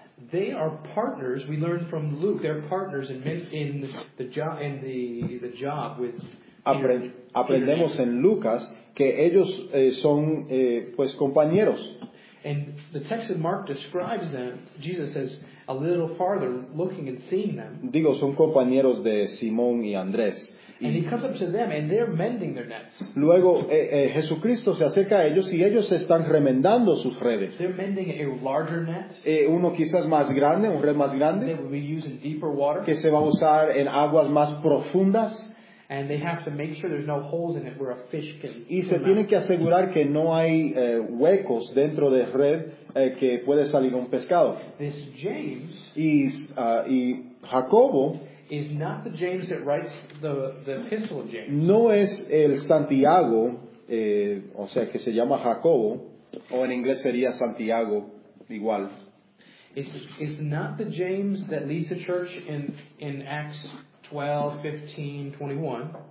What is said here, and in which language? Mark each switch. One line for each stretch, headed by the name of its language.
English: They are partners, we learned from Luke, they're partners in the job with Peter.
Spanish: Aprendemos en Lucas que ellos son pues compañeros.
English: And the text in Mark describes them, Jesus says, a little farther looking and seeing them.
Spanish: Digo, son compañeros de Simón y Andrés.
English: And he comes up to them and they're mending their nets.
Spanish: Luego Jesucristo se acerca a ellos y ellos están remendando sus redes.
English: They're mending a larger net.
Spanish: Uno quizás más grande, un red más grande.
English: They will be using deeper water.
Spanish: Que se va a usar en aguas más profundas.
English: And they have to make sure there's no holes in it where a fish can.
Spanish: Y se tiene que asegurar que no hay huecos dentro de red que puede salir un pescado.
English: This James
Spanish: y Jacobo
English: is not the James that writes the epistle of James.
Spanish: No es el Santiago, o sea, que se llama Jacobo, o en inglés sería Santiago igual.
English: It's not the James that leads the church in Acts 12, 15, 21.